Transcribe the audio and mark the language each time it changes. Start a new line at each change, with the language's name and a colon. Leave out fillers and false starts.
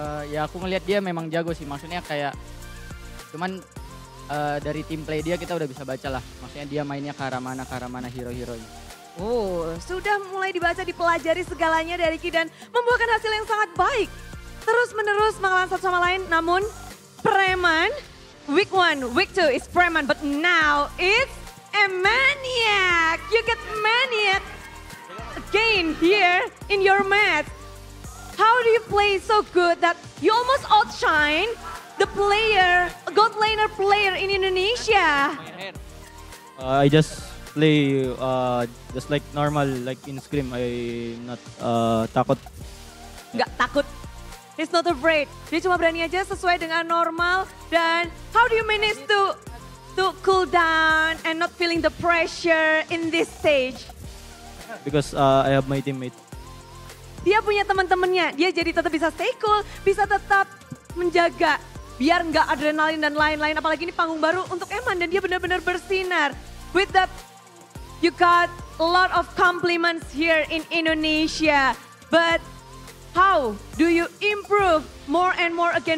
Indonesian: Ya aku ngelihat dia memang jago sih, maksudnya kayak cuman dari team play dia kita udah bisa baca lah, maksudnya dia mainnya ke arah mana hero-heronya. Sudah mulai dibaca, dipelajari segalanya dari Ki dan membuahkan hasil yang sangat baik. Terus menerus mengalahkan satu sama lain, namun preman.
English: Week 1, week 2 is Preman, but now it's a Maniac. You get Maniac again here in your mat. How do you play so good that you almost outshine the player, gold laner player in Indonesia? I just play just like normal, like in scrim. I'm not
Indonesian: takut. Enggak takut.
English: He's not afraid.
Indonesian: Dia cuma berani aja sesuai dengan normal. Dan
English: how do you manage to cool down and not feeling the pressure in this stage? Because I have my teammate.
Indonesian: Dia punya teman-temannya. Dia jadi tetap bisa
English: stay cool,
Indonesian: bisa tetap menjaga biar enggak adrenalin dan lain-lain. Apalagi ini panggung baru untuk Eman dan dia benar-benar bersinar.
English: With that, you got a lot of compliments here in Indonesia, but how do you improve more and more again?